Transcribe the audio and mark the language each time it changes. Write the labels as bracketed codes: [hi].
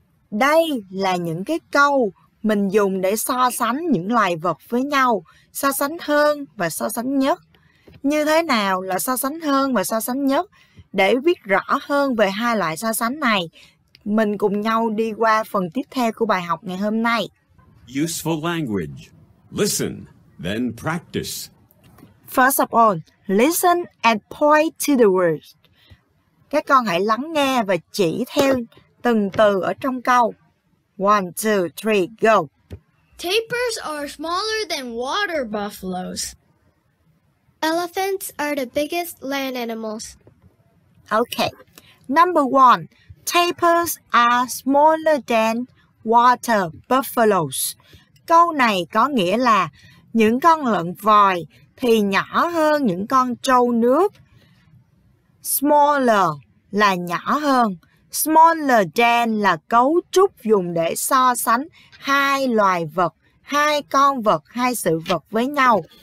[vi] Đây là những cái câu mình dùng để so sánh những loài vật với nhau, so sánh hơn và so sánh nhất. Như thế nào là so sánh hơn và so sánh nhất? Để biết rõ hơn về hai loại so sánh này, mình cùng nhau đi qua phần tiếp theo của bài học ngày hôm nay. [en] Useful language. Listen, then practice. First of all, listen and point to the words. [vi] Các con hãy lắng nghe và chỉ theo từng từ ở trong câu. [en] 1, 2, 3, go. Tapirs are smaller than water buffaloes. Elephants are the biggest land animals. Okay. Number one, tapirs are smaller than water buffaloes. [vi] Câu này có nghĩa là những con lợn vòi thì nhỏ hơn những con trâu nước. Smaller là nhỏ hơn. Smaller than là cấu trúc dùng để so sánh hai loài vật, hai con vật, hai sự vật với nhau.